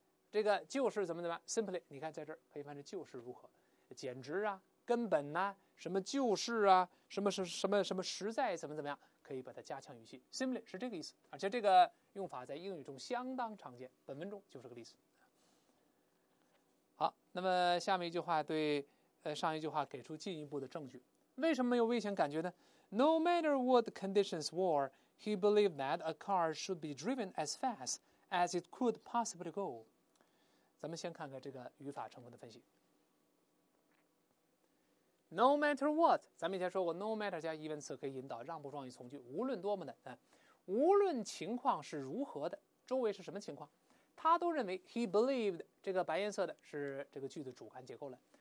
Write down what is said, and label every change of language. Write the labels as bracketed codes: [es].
[zh] 这个就是怎么怎么 simply， 你看在这儿可以翻成就是如何，简直啊，根本啊，什么就是啊，什么什么什么什么实在怎么怎么样，可以把它加强语气， simply 是这个意思。而且这个用法在英语中相当常见，本文中就是个例子。好，那么下面一句话对上一句话给出进一步的证据，为什么没有危险感觉呢？ [en] No matter what the conditions were, he believed that a car should be driven as fast as it could possibly go. [zh] 咱们先看看这个语法成分的分析。 [en] No matter what， [zh] 咱们以前说过 ， [en] no matter [zh] 加疑问词可以引导让步状语从句，无论多么的，无论情况是如何的，周围是什么情况，他都认为 [en] he believed [zh] 这个白颜色的是这个句子主干结构了。